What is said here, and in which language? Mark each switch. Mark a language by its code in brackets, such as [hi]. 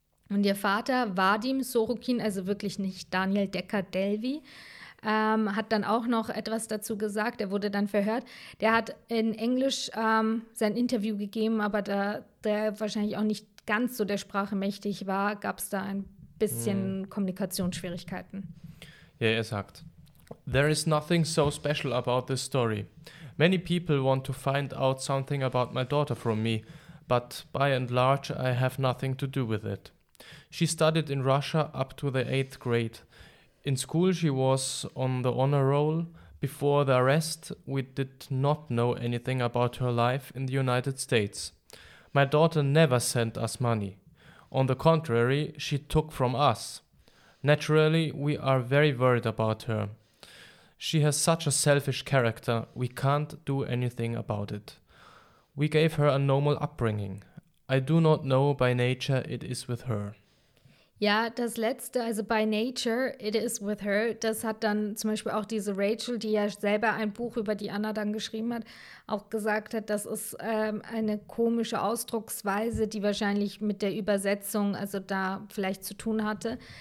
[de] Und ihr Vater, Vadim Sorokin, also wirklich nicht Daniel Decker-Delvi, hat dann auch noch etwas dazu gesagt, er wurde dann verhört. Der hat in Englisch sein Interview gegeben, aber da der wahrscheinlich auch nicht ganz so der Sprache mächtig war, gab es da ein bisschen Kommunikationsschwierigkeiten. Ja, er sagt, [en] there is nothing so special about this story. Many people want to find out something about my daughter from me, but by and large I have nothing to do with it. She studied in Russia up to the 8th grade. In school she was on the honor roll. Before the arrest, we did not know anything about her life in the United States. My daughter never sent us money. On the contrary, she took from us. Naturally, we are very worried about her. She has such a selfish character, we can't do anything about it. We gave her a normal upbringing. I do not know by nature it is with her. [de] Ja, das Letzte, also [en] by nature it is with her, [de] das hat dann zum Beispiel auch diese Rachel, die ja selber ein Buch über die Anna dann geschrieben hat, auch gesagt hat, das ist eine komische Ausdrucksweise, die wahrscheinlich mit der Übersetzung also da vielleicht zu tun hatte.